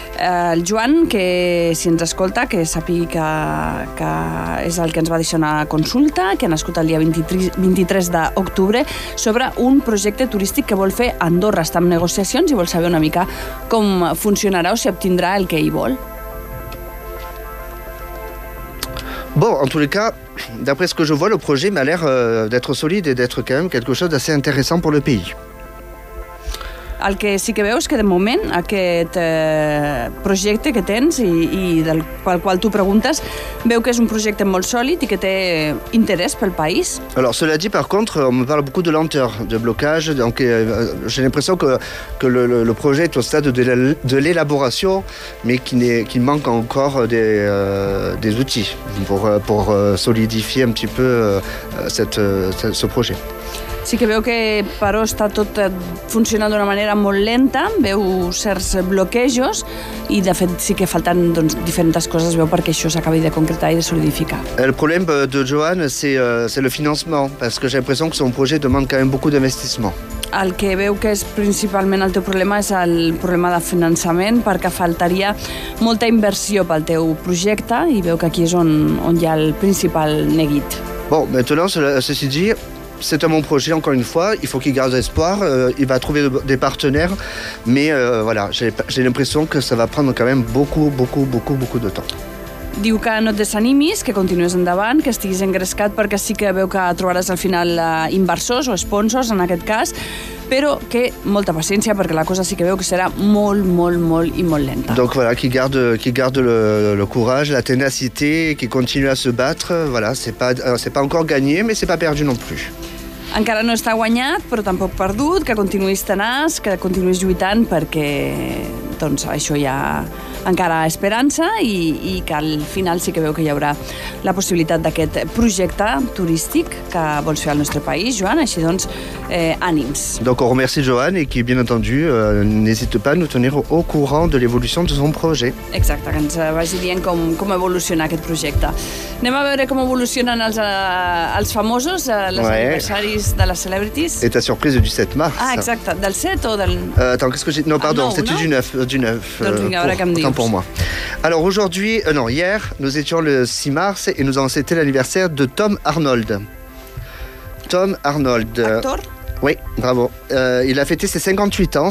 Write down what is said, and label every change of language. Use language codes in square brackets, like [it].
[ca] El Joan, que si ens escolta, que sàpiga que és el que ens va deixar una consulta, que ha nascut el dia 23 d'octubre, sobre un projecte turístic que vol fer Andorra. Està en negociacions i vol saber una mica com funcionarà o si obtindrà el que ell vol. [fr] Bon, en tout cas... D'après ce que je vois, le projet m'a l'air d'être solide et d'être quand même quelque chose d'assez intéressant pour le pays. [ca] El que sí que veus que de moment aquest projecte que tens i del qual tu preguntes veu que és un projecte molt sòlid i que té interès pel país. [fr] Alors, cela dit, par contre, on me parle beaucoup de lenteur, de blocage, donc j'ai l'impression que le projet est au stade de l'élaboration, mais qu'il manque encore des outils pour solidifier un petit peu ce projet. [ca] Sí que veu que, però, està tot funcionant d'una manera molt lenta, veu certs bloquejos i, de fet, sí que falten doncs, diferents coses, veu, perquè això s'acabi de concretar i de solidificar. El problema de Joan [fr] c'est le financement, parce que j'ai l'impression que son projet demande quand même beaucoup d'investissement. [ca] El que veu que és principalment el teu problema és el problema de finançament, perquè faltaria molta inversió pel teu projecte i veu que aquí és on hi ha el principal neguit. [fr] Bon, maintenant, ceci dit... C'est un bon projet, encore une fois, il faut qu'il garde espoir, il va trouver des partenaires, mais voilà, j'ai l'impression que ça va prendre quand même beaucoup, beaucoup, beaucoup, beaucoup de temps. [ca] Diu que no et desanimis, que continues endavant, que estiguis engrescat, perquè sí que veu que trobaràs al final inversors o sponsors, en aquest cas, però que molta paciència, perquè la cosa sí que veu que serà molt, molt, molt i molt lenta. [fr] Donc voilà, qui garde le courage, la tenacité, qui continue à se battre, voilà, c'est pas encore gagné, mais c'est pas perdu non plus. [ca] Encara no està guanyat, però tampoc perdut, que continuïs tenaç, que continuïs lluitant, perquè doncs, això ja... encara esperança i que al final sí que veu que hi haurà la possibilitat d'aquest projecte turístic que vols fer al nostre país, Joan. Així doncs, ànims. [fr] Donc, on remercie Joan et qui, bien entendu, n'hésite pas à nous tenir au courant de l'évolution de son projet. [ca] Exacte, que ens vagi dient com evoluciona aquest projecte. Anem a veure com evolucionen els famosos, els aniversaris de les celebrities. [fr] Et ta surprise du 7 mars. [ca] Ah, exacte, del 7 o del... [fr] Attends, qu'est-ce que j'ai... Non, pardon, ah, c'était du 9. Autant pour moi. Alors aujourd'hui, non, hier, nous étions le 6 mars et nous avons fêté l'anniversaire de Tom Arnold. Tom Arnold. Acteur? Oui, bravo. Il a fêté ses 58 ans.